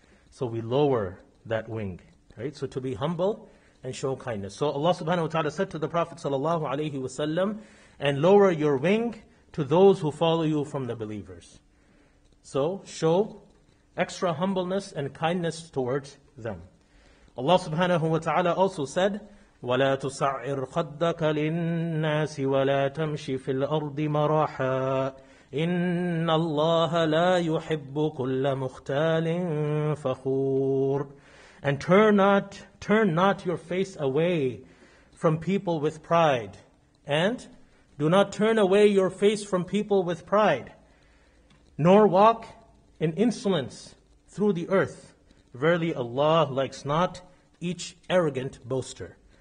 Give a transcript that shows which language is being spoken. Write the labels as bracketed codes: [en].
[en] So we lower that wing. Right, so to be humble and show kindness. So Allah subhanahu wa ta'ala said to the Prophet sallallahu alayhi wa sallam, and lower your wing to those who follow you from the believers. So show extra humbleness and kindness towards them. Allah subhanahu wa ta'ala also said, [ar] ولا تسعر خدك للناس ولا تمشي في الأرض مراحا إن الله لا يحب كل مختال فخور. [en] And turn not your face away from people with pride, and do not turn away your face from people with pride, nor walk in insolence through the earth. Verily Allah likes not each arrogant boaster.